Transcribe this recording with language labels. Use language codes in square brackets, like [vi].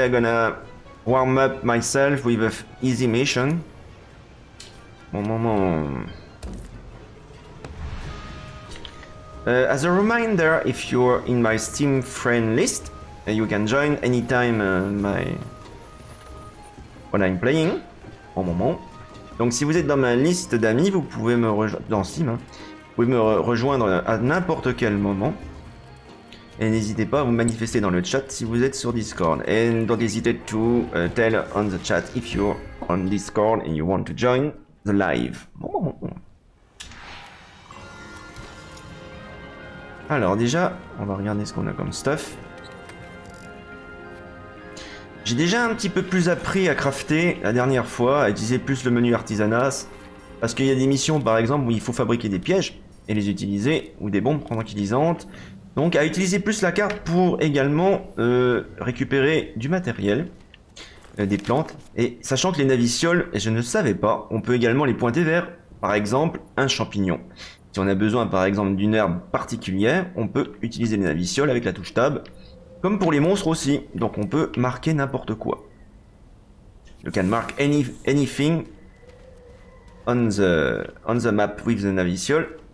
[en] I'm gonna warm up myself with an easy mission. [fr] Bon. [en] As a reminder, if you're in my Steam friend list, you can join anytime when I'm playing. [fr] Bon moment. Donc si vous êtes dans ma liste d'amis, vous pouvez me rejoindre dans Steam. Hein. Vous pouvez me rejoindre à n'importe quel moment. Et n'hésitez pas à vous manifester dans le chat si vous êtes sur Discord. [en] And don't hesitate to tell on the chat if you're on Discord and you want to join the live. [fr] Bon. Alors déjà, on va regarder ce qu'on a comme stuff. J'ai déjà un petit peu plus appris à crafter la dernière fois, à utiliser plus le menu artisanat. Parce qu'il y a des missions par exemple où il faut fabriquer des pièges et les utiliser, ou des bombes tranquillisantes. Donc à utiliser plus la carte pour également récupérer du matériel, des plantes. Et sachant que les navicioles, et je ne savais pas, on peut également les pointer vers, par exemple, un champignon. Si on a besoin, par exemple, d'une herbe particulière, on peut utiliser les navicioles avec la touche tab. Comme pour les monstres aussi. Donc on peut marquer n'importe quoi. [en] You can mark anything on the map with the navicioles.